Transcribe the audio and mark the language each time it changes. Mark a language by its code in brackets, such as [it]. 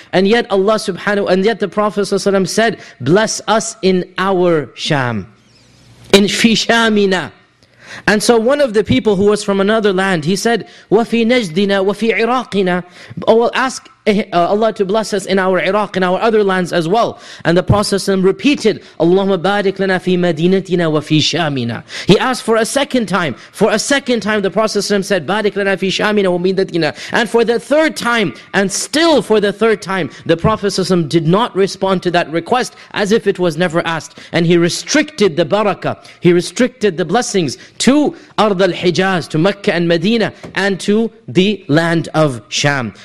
[en] And yet Allah subhanahu, and yet the Prophet ﷺ said, bless us in our Sham. In fi shamina. And so one of the people who was from another land, he said, [ar] وَفِي نَجْدِنَا وَفِي عِرَاقِنَا [en] Oh, well, ask Allah to bless us in our Iraq, in our other lands as well. And the Prophet ﷺ repeated, [ar] اللهم بارك لنا في مدينتنا وفي شامنا. [en] He asked for a second time. For a second time, the Prophet ﷺ said, [ar] بارك لنا في شامنا ومدينتنا. [en] And for the third time, and still for the third time, the Prophet ﷺ did not respond to that request as if it was never asked. And he restricted the barakah, he restricted the blessings to Ard al-Hijaz, to Mecca and Medina, and to the land of Sham.